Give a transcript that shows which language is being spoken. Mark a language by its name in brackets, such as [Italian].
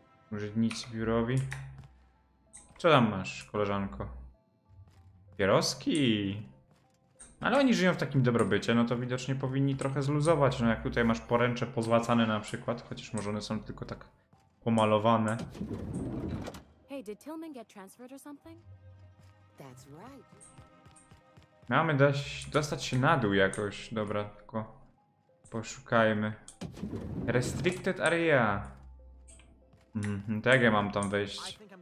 [Polish] Może nic biurowi. Co tam masz, koleżanko? Pieroski! Ale oni żyją w takim dobrobycie, no to widocznie powinni trochę zluzować. No jak tutaj masz poręcze pozłacane na przykład, chociaż może one są tylko tak pomalowane. [English] Hey, did Tillman get transferred or something? That's right. [Polish] Mamy dostać się na dół jakoś, dobra, tylko poszukajmy. Restricted area. Tak, ja mam tam wejść.